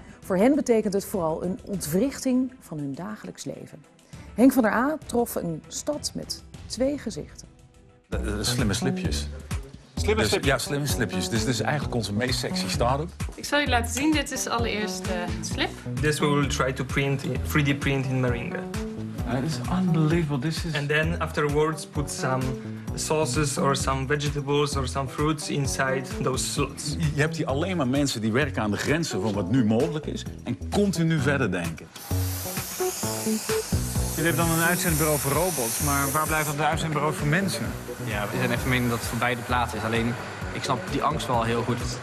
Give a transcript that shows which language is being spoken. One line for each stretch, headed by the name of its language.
Dutch: Voor hen betekent het vooral een ontwrichting van hun dagelijks leven. Henk van der Aa trof een stad met twee gezichten. Slimme slipjes. Slimme slipjes? Ja, slimme slipjes. Dus dit is eigenlijk onze meest sexy start-up. Ik zal je laten zien, dit is allereerst de slip.
English: This we will try to print, 3D print in Maringa. That is unbelievable. This is. And then afterwards put some sauces or some vegetables or some fruits inside those slots.
Dutch: Je hebt hier alleen maar mensen die werken aan de grenzen van wat nu mogelijk is en continu verder denken. Je hebt dan een uitzendbureau voor robots, maar waar blijft dan het uitzendbureau voor mensen? Ja, we zijn even mening dat het voor beide plaatsen is. Alleen, ik snap die angst wel heel goed.